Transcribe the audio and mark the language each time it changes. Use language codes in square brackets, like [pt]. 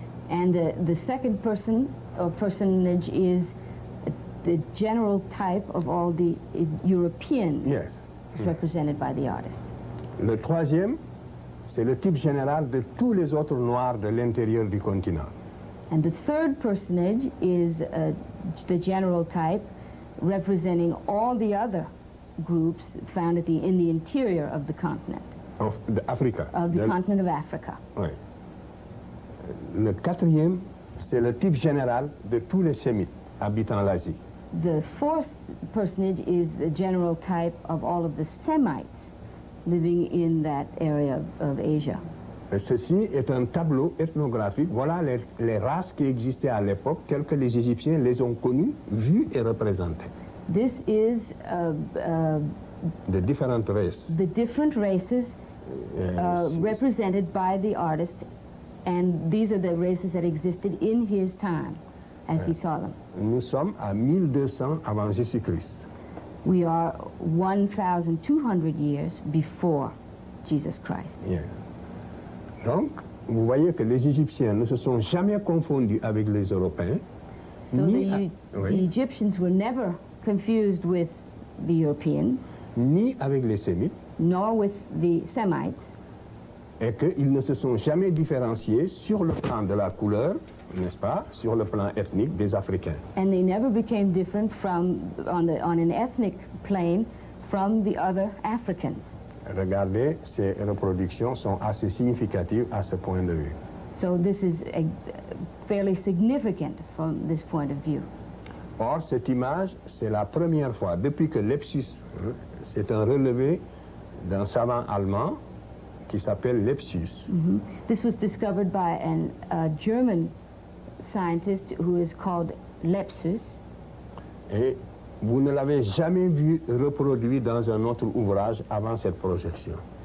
[en] And the second person or personage is the general type of all the Europeans. Yes. Represented by the artist. [fr] Le troisième, c'est le type général de tous les autres noirs de l'intérieur du continent. [en] And the third personage is the general type representing all the other groups found at in the interior of the continent. Of the Africa. Of the continent of Africa. [fr] Oui. Le quatrième, c'est le type général de tous les Sémites habitant l'Asie. [en] The fourth personage is the general type of all of the Semites living in that area of Asia. [fr] Et ceci est un tableau ethnographique. Voilà les races qui existaient à l'époque, telles que les Égyptiens les ont connues, vues et représentées. [en] This is the different races. The different races represented by the artist, and these are the races that existed in his time. As he saw them. [fr] Nous sommes à 1200 avant Jésus-Christ. [en] We are 1,200 years before Jesus Christ. Yeah. [fr] Donc, vous voyez que les Égyptiens ne se sont jamais confondus avec les Européens. [en] So the Egyptians were never confused with the Europeans. [fr] Ni avec les Sémites. [en] Nor with the Semites. [fr] Et qu'ils ne se sont jamais différenciés sur le plan de la couleur, n'est-ce pas, sur le plan ethnique des Africains. [en] And they never became different from, on an ethnic plane, from the other Africans. [fr] regardez, ces reproductions sont assez significatives à ce point de vue. [en] So this is a fairly significant from this point of view. [fr] Or, cette image, c'est la première fois depuis que Lepsius, c'est un relevé d'un savant allemand qui s'appelle Lepsius. Mm-hmm. [en] This was discovered by a German scientist who is called Lepsius. [fr] Et vous ne l'avez jamais vu reproduit dans un autre ouvrage avant cette projection.